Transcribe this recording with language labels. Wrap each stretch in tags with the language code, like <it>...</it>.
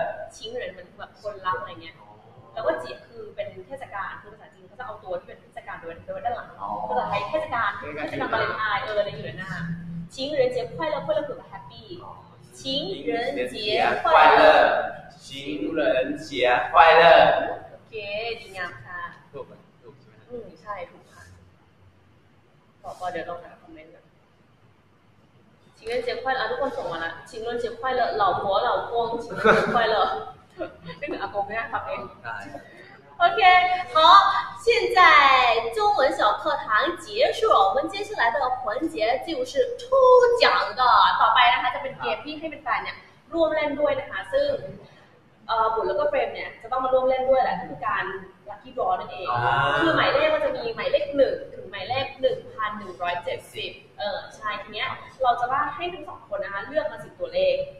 <zh>情人们</zh> <th>แบบคนรักอะไรเงี้ยแล้วก็จีคือเป็นเทศกาลคือภาษาจีนเขาจะเอาตัวที่เป็นเทศกาลโดยด้านหลังก็จะใช้เทศกาลเทศกาลวาเลนไทน์อะไรอยู่ในหน้า</th> <zh>情人节快乐快乐</zh> <th>คือ happy</th> <zh>情人节快乐情人节快乐</zh> <th>โอเคดีงามค่ะ ถูกไหมถูกใช่ไหม อืมใช่ถูกค่ะขอเดี๋ยวต้องหาคอมเมนต์</th> <zh>情人节快乐！啊，都快送完了。情人节快乐，老婆老公，情人节快乐。那个阿公没发给你。 OK， 好，现在中文小课堂结束。我们接下来的环节就是抽奖的，</zh> <th>ต่อไปนะคะจะเป็นเกมที่ให้เป็นการเนี่ยร่วมเล่นด้วยนะคะซึ่งบุญแล้วก็เฟรมเนี่ยจะต้องมาร่วมเล่นด้วยแหละคือการ lucky draw นั่นเองคือหมายเลขก็จะมีหมายเลขหนึ่งถึงหมายเลข1170ใช่ทีเนี้ยเราจะว่าให้ทั้งสองคนนะคะเลือกมาสิบตัวเลข</th>